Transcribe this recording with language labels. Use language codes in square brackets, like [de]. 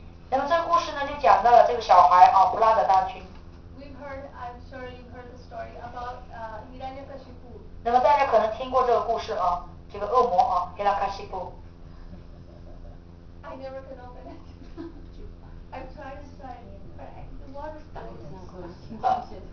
[zh] 那么这个故事呢，就讲到了这个小孩啊，布拉德大军。 [en] We've heard, I'm sure you've heard the story about Hiranyakashipu. [zh] 那么大家可能听过这个故事啊，这个恶魔啊 ，Hiranyakashipu。 [en] I never can open it. I've tried to try it, but the water is stuck.